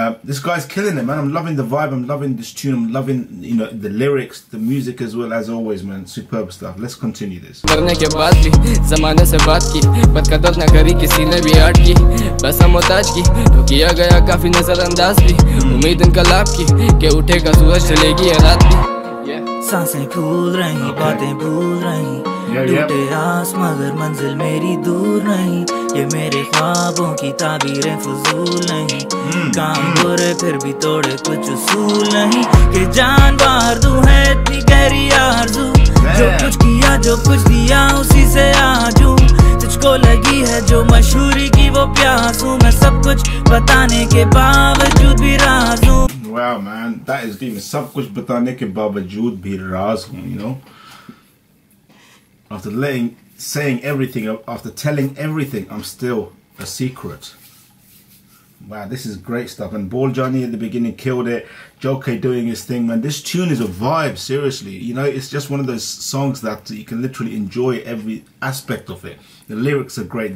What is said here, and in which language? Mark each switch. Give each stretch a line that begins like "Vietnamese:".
English: This guy's killing it, man. I'm loving the vibe. I'm loving this tune. I'm loving, you know, the lyrics, the music as well, as always, man. Superb stuff. Let's continue this.
Hindi: करने के बाद भी ज़माने से बात की, पर कदर न करी किसी ने भी आर्ट की, बस हम मोहताज की, तो किया गया काफी नजरअंदाज भी, उम्मीद इनकलाब की, के उठेगा सूरज ढलेगी रात भी. सांसें फूल रही बातें भूल रही टूटे आस मगर मंजिल मेरी दूर नहीं ये मेरे ख्वाबों की ताबीरें फजूल नहीं काम बुरे फिर भी तोड़े कुछ उसूल नहीं के जान बार दू है इतनी गहरी आरजू जो कुछ किया जो कुछ दिया उसी से आजू तुझको लगी है जो मशहूरी की वो प्यासू मैं सब कुछ बताने के बावजूद भी Raju
English: Wow, man, that is deep.
Hindi: सब कुछ बताने के बावजूद भी राज हूँ,
English: you know. After saying everything, after telling everything, I'm still a secret. Wow, this is great stuff. And BOLJANI at the beginning killed it. Jokhay doing his thing, man. This tune is a vibe, seriously. You know, it's just one of those songs that you can literally enjoy every aspect of it. The lyrics are great.